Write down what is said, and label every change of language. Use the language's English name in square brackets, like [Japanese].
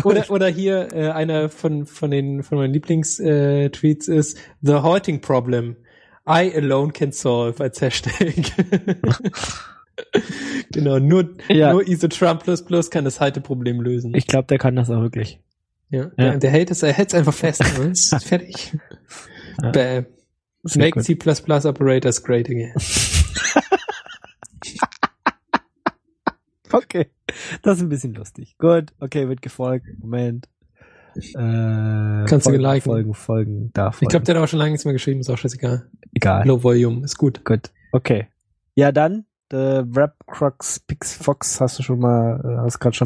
[German] Oder hier einer von meinen Lieblingstweets ist [English] the halting problem I alone can solve [German] als Hashtag. Genau, nur ISO-Trump++ kann das Halteproblem lösen. Ich glaube, der kann das auch wirklich. Ja, ja. Er hält es einfach fest. Ist fertig. Ja. Bäm. [English] Make C++ Operators great again. [German] Okay, das ist ein bisschen lustig. Gut, okay, wird gefolgt. Moment. Kannst du liken. Folgen davon. Ich glaube, der hat auch schon lange nichts mehr geschrieben. Ist auch scheißegal. Egal. Low Volume, ist gut. Gut, okay. Ja, dann. The Rap Crux Pixfox hast du schon mal, hast gerade schon